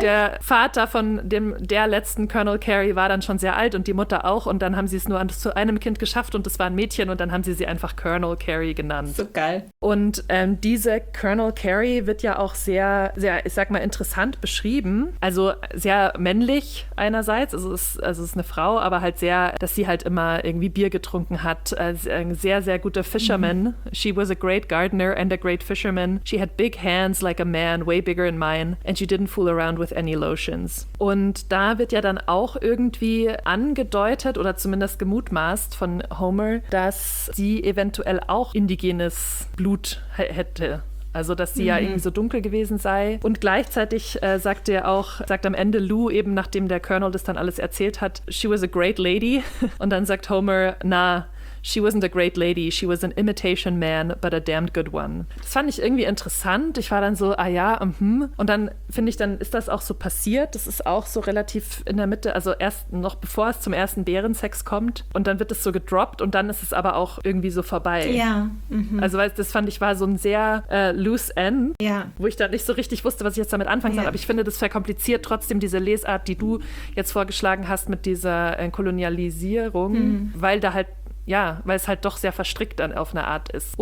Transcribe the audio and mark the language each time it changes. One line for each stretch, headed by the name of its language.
German: Der Vater von der letzten Colonel Carey war dann schon sehr alt und die Mutter auch und dann haben sie es nur zu einem Kind geschafft und es war ein Mädchen und dann haben sie einfach Colonel Carey genannt. So geil. Und diese Colonel Carey wird ja auch sehr, sehr, ich sag mal, interessant beschrieben. Also sehr männlich einerseits, also es ist eine Frau, aber halt sehr, dass sie halt immer irgendwie Bier getrunken hat. Ein sehr, sehr guter Fisherman.
English: Mhm. She was a great gardener and a great fisherman. She had big hands like a man and way bigger in mine, and you didn't fool around with any lotions.
German: Und da wird ja dann auch irgendwie angedeutet oder zumindest gemutmaßt von Homer, dass sie eventuell auch indigenes Blut hätte. Also, dass sie ja irgendwie so dunkel gewesen sei. Und gleichzeitig sagt am Ende Lou eben, nachdem der Colonel das dann alles erzählt hat,
English: she was a great lady.
German: Und dann sagt Homer,
English: she wasn't a great lady, she was an imitation man, but a damned good one.
German: Das fand ich irgendwie interessant. Ich war dann so, Und dann finde ich, dann ist das auch so passiert. Das ist auch so relativ in der Mitte, also erst noch bevor es zum ersten Bärensex kommt. Und dann wird es so gedroppt und dann ist es aber auch irgendwie so vorbei. Ja. Also das fand ich, war so ein sehr loose end, wo ich dann nicht so richtig wusste, was ich jetzt damit anfangen soll. Aber ich finde, das verkompliziert trotzdem diese Lesart, die du jetzt vorgeschlagen hast mit dieser Kolonialisierung, weil da halt weil es halt doch sehr verstrickt dann auf eine Art ist.